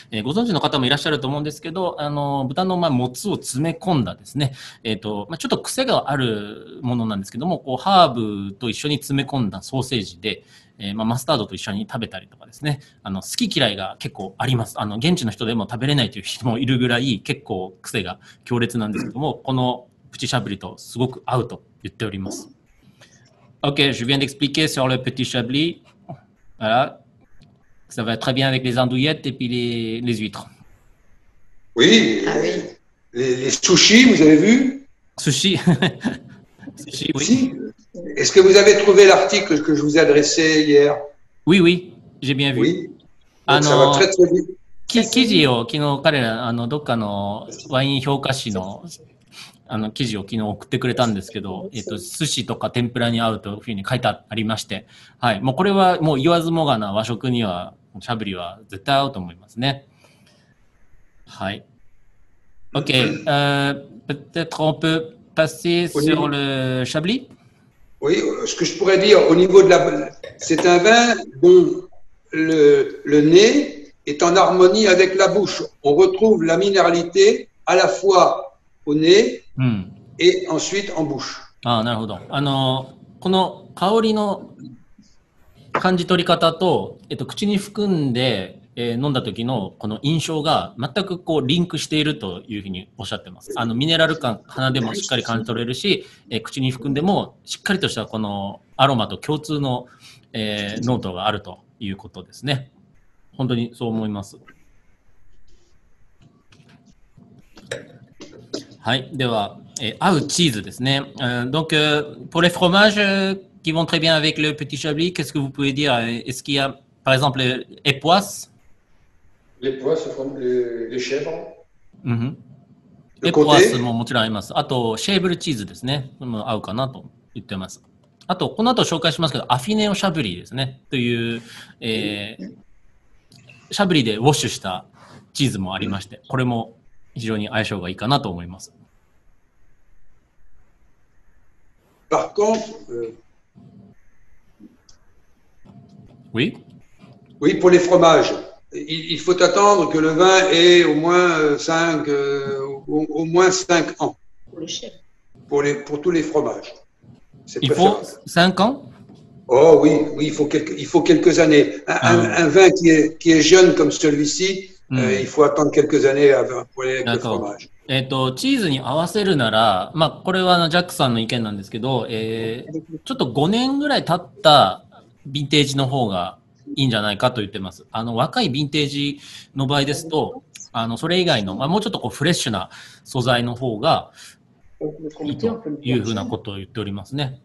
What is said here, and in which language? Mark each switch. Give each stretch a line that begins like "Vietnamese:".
Japanese: ご存知の方もいらっしゃると思うんですけど、豚の、まあ、もつを詰め込んだですね、まあ、ちょっと癖があるものなんですけども、こう、ハーブと一緒に詰め込んだソーセージで、まあ、マスタードと一緒に食べたりとかですね、好き嫌いが結構あります。現地の人でも食べれないという人もいるぐらい、結構癖が強烈なんですけども、このプチシャブリとすごく合うと言っております。
French: OK, je viens d'expliquer sur le petit chablis. Voilà. Ça va très bien avec les andouillettes et puis les huîtres. Oui, les sushis, vous avez vu? Sushi. Sushi, oui. Si. Est-ce que vous avez trouvé l'article que je vous ai adressé hier? Oui, oui, j'ai bien vu. Oui. Ça va très, très vite.
Japanese: 記事を昨日彼らどっかのワイン評価誌の記事を昨日送ってくれたんですけど、寿司とか天ぷらに合うというふうに書いてありまして、はい、もうこれはもう言わずもがな和食にはしゃぶりは絶対合うと思いますね。はい。
French: OK、peut-être on peut passer sur le chablis? Oui, ce que je pourrais dire au niveau de la. C'est un vin dont le nez. Est en harmonie avec la bouche. On retrouve la minéralité à la fois au nez et ensuite en bouche.
Japanese: Ah, なるほど。この香りの感じ取り方と、口に含んで、飲んだ時のこの印象が全くこうリンクしているというふうにおっしゃってます。あのミネラル感、鼻でもしっかり感じ取れるし、口に含んでもしっかりとしたこのアロマと共通の、ノートがあるということですね。本当にそう思います。はい、では、合うチーズですね。
French: Donc, pour les fromages qui vont très bien avec le petit chablis, qu'est-ce que vous pouvez dire? Est-ce qu'il y a, par exemple, les poisses? Les poisses, les chèvres.
Japanese: Les poisses, ももちろんあります。あと、シェーブルチーズですね。合うかなと言ってます。あと、この後紹介しますけど、アフィネオシャブリーですね。という、シャブリーでウォッシュしたチーズもありまして、これも非常に相性がいいかなと思います。
French: Par contre, oui. Oui, pour les fromages, il faut attendre que le vin ait au moins 5 ans. Pour le chèvre. Pour tous les fromages. C'est il faut 5 ans. Oh oui, oui, il faut quelques années. Un vin qui est jeune comme celui-ci. Il faut attendre quelques années avant pour les fromages.
Japanese: チーズに合わせるなら、まあ、これはジャックさんの意見なんですけど、ちょっと5年ぐらい経ったヴィンテージの方がいいんじゃないかと言ってます。若いヴィンテージの場合ですと、それ以外の、まあ、もうちょっとこうフレッシュな素材の方がいいというふうなことを言っておりますね。